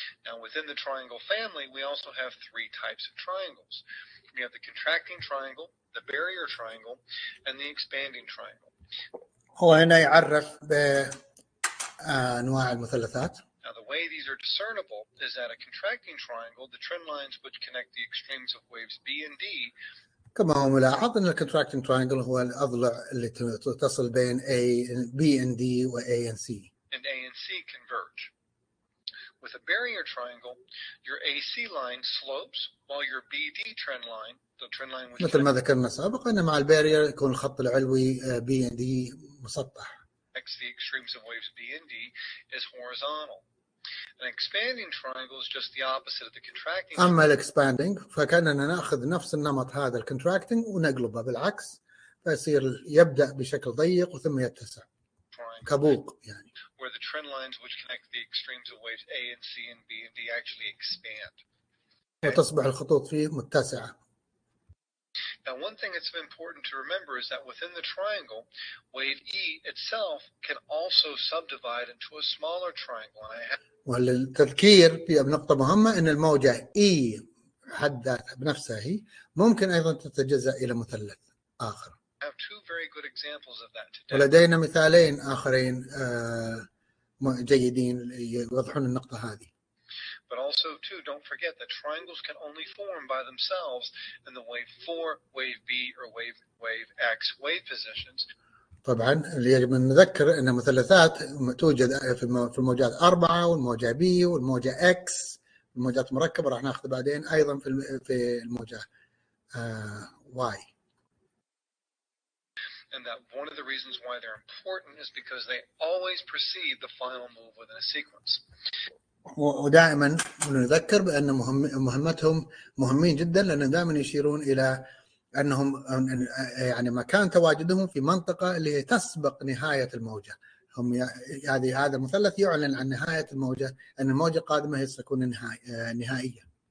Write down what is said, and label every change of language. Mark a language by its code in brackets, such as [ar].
[en] Now within the triangle family, we also have three types of triangles. We have the contracting triangle, the barrier triangle, and the expanding triangle. [ar] هو هنا يعرف بأنواع المثلثات. [en] Now the way these are discernible is that a contracting triangle, the trend lines which connect the extremes of waves B and D. [ar] كما هو ملاحظ أن contracting triangle هو الأضلع اللي تصل بين [en] A, B and D [ar] و [en] A and C. And A and C converge. With a barrier triangle, your AC line slopes while your BD trend line, the trend line which [ar] مثل ما ذكرنا سابقا أن مع البارير يكون الخط العلوي [en] B and D [ar] مسطح. [en] Next, the extremes of waves B and D is horizontal. An expanding triangle is just the opposite of the contracting. [ar] أما expanding فكأننا نأخذ نفس النمط هذا ال contracting ونقلبه بالعكس فيصير يبدأ بشكل ضيق وثم يتسع. كبوق يعني. [en] Where the trend lines which connect the extremes of waves A and C and B and D actually expand. [ar] وتصبح الخطوط فيه متسعة. [en] Now one thing that's important to remember is that within the triangle, wave E itself can also subdivide into a smaller triangle. [ar] وللتذكير في نقطة مهمة أن الموجة E حد ذاتها بنفسها هي ممكن أيضا تتجزأ إلى مثلث آخر. [en] Have two very good examples of that today. [ar] ولدينا مثالين آخرين جيدين يوضحون النقطة هذه. [en] But also too, don't forget that triangles can only form by themselves in the wave 4, wave B, or wave X wave positions. [ar] طبعا اللي يجب أن نذكر أن مثلثات توجد في الموجات 4 والموجة B والموجة X الموجات مركبة راح نأخذ بعدين أيضا في الموجة Y. [en] And that one of the reasons why they're important is because they always precede the final move within a sequence. [ar] ودائما نذكر بأن مهمتهم مهمين جدا لأنهم دائما يشيرون إلى أنهم يعني مكان تواجدهم في منطقة اللي هي تسبق نهاية الموجة. هم يعني هذا المثلث يعلن عن نهاية الموجة أن الموجة القادمة هي ستكون نهائية.